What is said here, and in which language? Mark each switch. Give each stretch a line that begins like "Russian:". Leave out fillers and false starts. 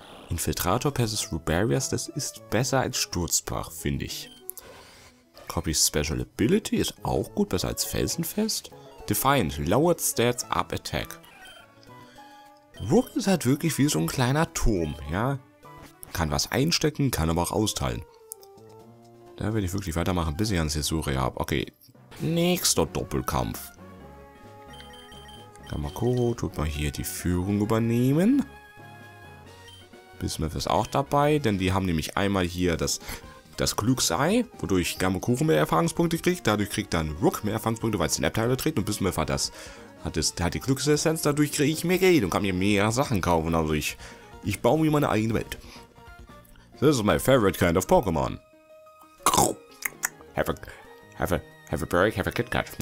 German: Infiltrator versus Rubarius, das ist besser als Sturzbach, finde ich. Copy Special Ability ist auch gut, besser als Felsenfest.
English: Defiant, Lowered Stats, Up Attack.
German: Rook ist halt wirklich wie so ein kleiner Turm, ja. Kann was einstecken, kann aber auch austeilen. Da werde ich wirklich weitermachen, bis ich an Sesuri habe. Okay, nächster Doppelkampf. Gamakuro tut mal hier die Führung übernehmen. Bismuth ist auch dabei, denn die haben nämlich einmal hier das das Glücksei, wodurch Gamakuro mehr Erfahrungspunkte kriegt. Dadurch kriegt dann Rook mehr Erfahrungspunkte, weil es den App-Teiler trägt. Und Bismuth hat die Glücksessenz. Dadurch kriege ich mehr Geld und kann mir mehr Sachen kaufen. Also ich baue mir meine eigene Welt.
English: This is my favorite kind of Pokémon. Have a break, have a KitKat.